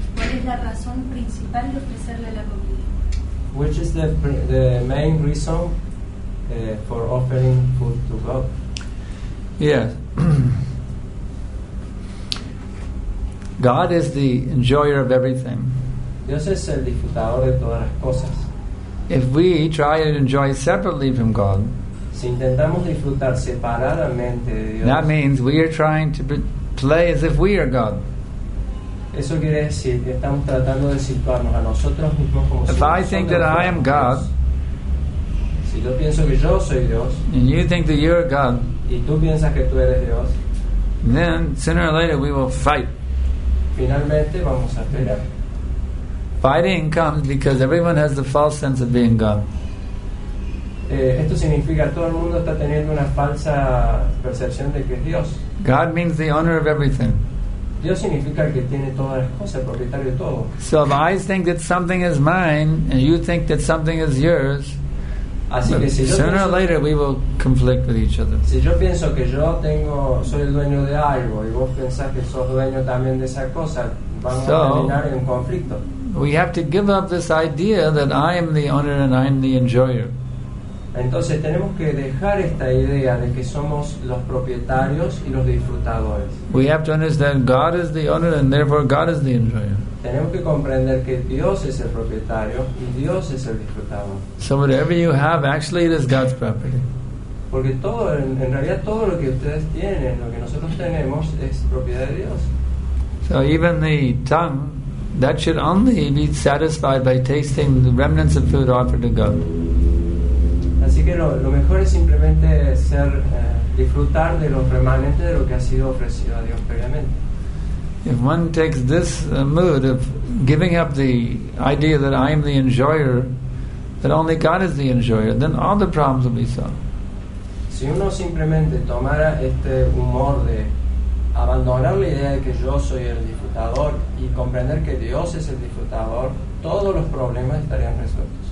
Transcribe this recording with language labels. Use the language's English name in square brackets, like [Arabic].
[Spanish] ¿Cuál es la razón principal de ofrecerle la comida? [English] Which is the main reason for offering food to God? Yes. God is the enjoyer of everything. [Spanish] Dios es el disfrutador de todas las cosas. [English] If we try to enjoy separately from God, [Spanish] si intentamos disfrutar separadamente de Dios, [English] that means we are trying to play as if we are God. [Spanish] Eso quiere decir que estamos tratando de situarnos a nosotros mismos como [English] if I think that I am God, [Spanish] si yo pienso que yo soy Dios, [English] and you think that you are God, [Spanish] y tú piensas que tú eres Dios, [English] then sooner or later we will fight. [Spanish] Finalmente vamos a pelear. [English] Fighting comes because everyone has the false sense of being God. [Spanish] Esto significa todo el mundo está teniendo una falsa percepción de que es Dios. [English] God means the owner of everything. [Spanish] Dios significa que tiene todas las cosas, propietario de todo. [English] So if I think that something is mine and you think that something is yours, [Spanish] así que si [English] sooner or later we will conflict with each other. [Spanish] Si yo pienso que yo tengo, soy el dueño de algo y vos pensás que sos dueño también de esa cosa, vamos [English] so, [Spanish] a terminar en conflicto. [English] We have to give up this idea that I am the owner and I am the enjoyer. [Spanish] Entonces tenemos que dejar esta idea de que somos los propietarios y los disfrutadores. [English] We have to understand God is the owner and therefore God is the enjoyer. [Spanish] Tenemos que comprender que Dios es el propietario y Dios es el disfrutador. [English] So whatever you have, actually it is God's property. [Spanish] Porque todo, en realidad todo lo que ustedes tienen, lo que nosotros tenemos, es propiedad de Dios. [English] So even the tongue, that should only be satisfied by tasting the remnants of food offered to God. [Spanish] Así que lo mejor es simplemente ser disfrutar de los remanentes de lo que ha sido ofrecido a Dios previamente. [English] If one takes this mood of giving up the idea that I am the enjoyer, that only God is the enjoyer, then all the problems will be solved. [Spanish] Si uno simplemente tomara este humor de abandonar la idea de que yo soy el disfrutador y comprender que Dios es el disfrutador, todos los problemas estarían resueltos.